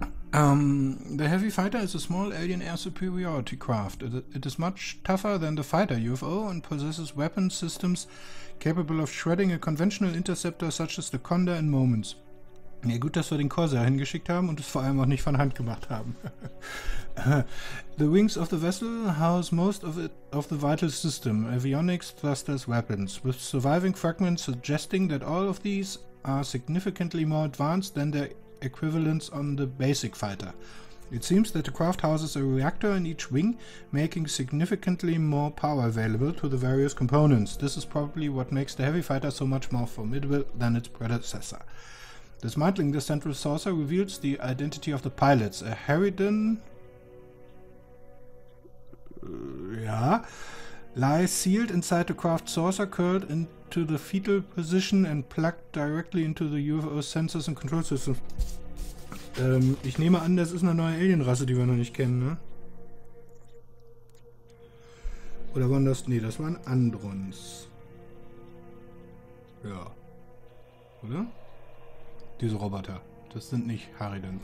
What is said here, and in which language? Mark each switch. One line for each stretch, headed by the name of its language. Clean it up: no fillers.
English: The heavy fighter is a small alien air superiority craft. It is much tougher than the fighter UFO and possesses weapon systems capable of shredding a conventional interceptor such as the Condor in moments.
German: Ja, gut, dass wir den Corsair hingeschickt haben und es vor allem auch nicht von Hand gemacht haben.
English: The wings of the vessel house most of it of the vital system, avionics, thrusters, weapons, with surviving fragments suggesting that all of these are significantly more advanced than their equivalents on the basic fighter. It seems that the craft houses a reactor in each wing, making significantly more power available to the various components. This is probably what makes the heavy fighter so much more formidable than its predecessor. Dismantling the central saucer reveals the identity of the pilots, a Harridan. Ja. Lies sealed inside the craft saucer, curled into the fetal position and plugged directly into the UFO sensors and control system.
German: Ich nehme an, das ist eine neue Alienrasse, die wir noch nicht kennen, ne? Oder waren das? Ne, das waren Androns. Ja. Oder? Diese Roboter. Das sind nicht Harridans.